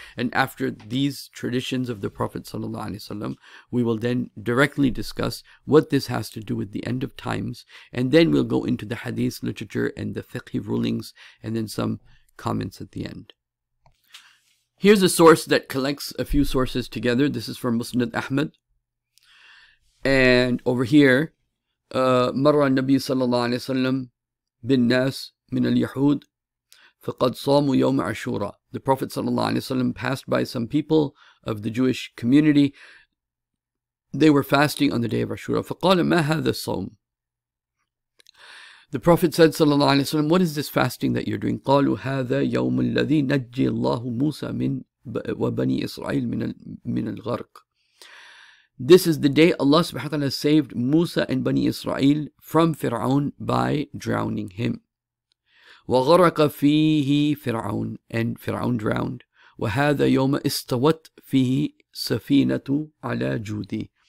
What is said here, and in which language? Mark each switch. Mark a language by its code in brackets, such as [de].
[en] And after these traditions of the Prophet sallallahu alaihi wasallam, we will then directly discuss what this has to do with the end of times. And then we'll go into the hadith literature and the fiqh rulings, and then some comments at the end. Here's a source that collects a few sources together. This is from Musnad Ahmad. And over here, [ar] مر النبي صلى الله عليه وسلم بالناس من اليهود فقد صاموا يوم عاشوراء. [en] The Prophet [ar] صلى الله عليه وسلم [en] passed by some people of the Jewish community. They were fasting on the day of Ashura. [ar] فقال ما هذا الصوم. [en] The Prophet said [ar] صلى الله عليه وسلم, [en] what is this fasting that you're doing? [ar] قالوا هذا يوم الذي نجي الله موسى من وبني إسرائيل من الغرق. [en] This is the day Allah subhanahu wa ta'ala saved Musa and Bani Israel from Fir'aun by drowning him. [ar] وَغَرَقَ فِيهِ فِرْعَوْنَ, [en] and Fir'aun drowned. [ar] وَهَذَا يَوْمَ إِسْتَوَتْ فِيهِ سَفِينَةُ عَلَى جُودِي.